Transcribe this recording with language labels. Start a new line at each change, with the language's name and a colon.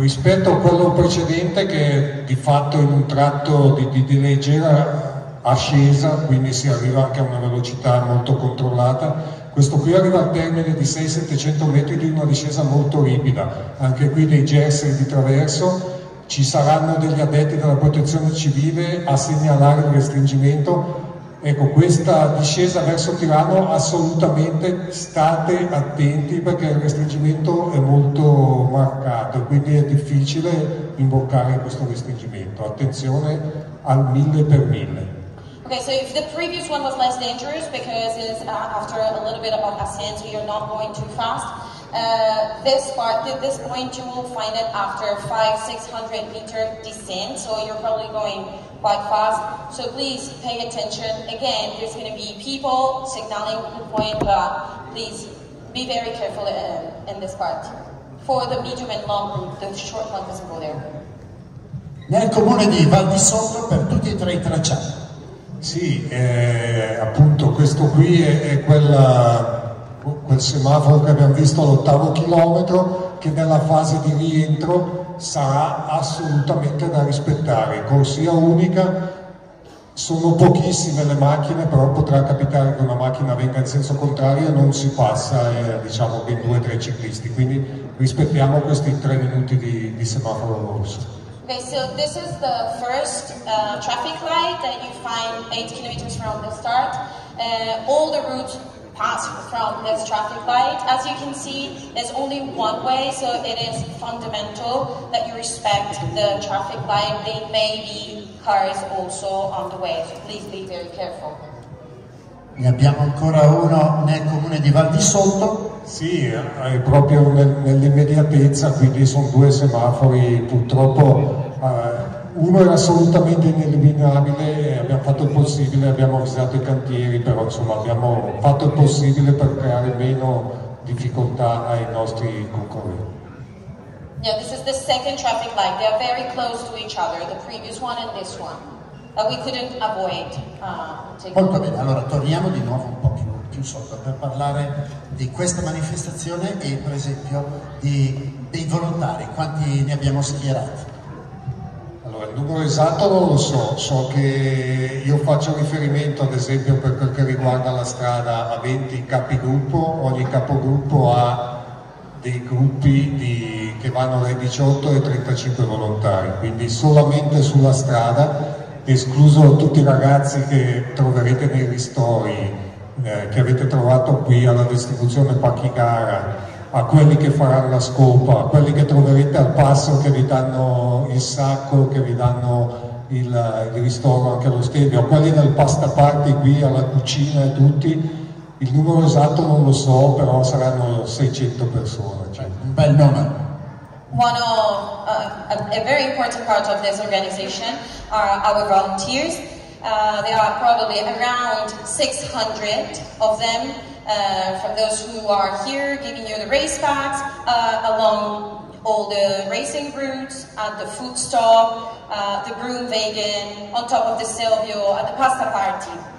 Italian: Rispetto a quello precedente, che di fatto in un tratto di leggera ascesa, quindi si arriva anche a una velocità molto controllata, questo qui arriva al termine di 600-700 metri di una discesa molto ripida, anche qui dei gesseri di traverso, ci saranno degli addetti della protezione civile a segnalare il restringimento. Ecco, questa discesa verso Tirano assolutamente state attenti, perché il restringimento è molto marcato, quindi è difficile imboccare questo restringimento. Attenzione al 1000 per 1000.
English: Okay, so if the previous one was less dangerous because it's after a little bit of ascent, you're not going too fast, this part, at this point you will find it after 500-600 meter descent, so you're probably going quite fast, so please pay attention. Again, there's going to be people signaling the point, but please be very careful in this part for the medium and long route. The short one doesn't go there.
Italian: Nel comune di Val di Sopra per tutti e tre i tracciati. Sì, appunto, questo qui è quella, quel semaforo che abbiamo visto all'ottavo chilometro, che nella fase di rientro sarà assolutamente da rispettare. Corsia unica, sono pochissime le macchine, però potrà capitare che una macchina venga in senso contrario e non si passa, diciamo, ben due o tre ciclisti. Quindi rispettiamo questi tre minuti di semaforo rosso.
English: Okay, so this is the first traffic light that you find 8 kilometers from the start. All the routes pass from this traffic light. As you can see, there's only one way, so it is fundamental that you respect the traffic light. There may be cars also on the way, so please be very careful.
Italian: Ne abbiamo ancora uno nel comune di Val di Sotto. Sì, è proprio nell'immediatezza, quindi sono due semafori, purtroppo uno era assolutamente ineliminabile, abbiamo fatto il possibile, abbiamo avvisato i cantieri, però insomma abbiamo fatto il possibile per creare meno difficoltà ai nostri concorrenti.
English: Yeah, this is the second traffic light, they are very close to each other, the previous one and this one, that we couldn't avoid.
Italian: Molto bene, allora torniamo di nuovo un po' più sotto per parlare di questa manifestazione e per esempio dei volontari, quanti ne abbiamo schierati? Allora, il numero esatto non lo so, so che io faccio riferimento ad esempio per quel che riguarda la strada a 20 capigruppo, ogni capogruppo ha dei gruppi che vanno dai 18 ai 35 volontari, quindi solamente sulla strada, escluso tutti i ragazzi che troverete nei ristori, che avete trovato qui alla distribuzione pacchi gara, a quelli che faranno la scopa, a quelli che troverete al passo che vi danno il sacco, che vi danno il ristoro anche allo stadio, a quelli del pasta party qui alla cucina e tutti, il numero esatto non lo so, però saranno 600 persone. Cioè. Un bel nome.
English: A very important part of this organization are our volunteers. There are probably around 600 of them, from those who are here giving you the race packs, along all the racing routes, at the food stop, the Broom Vegan, on top of the Silvio, at the pasta party.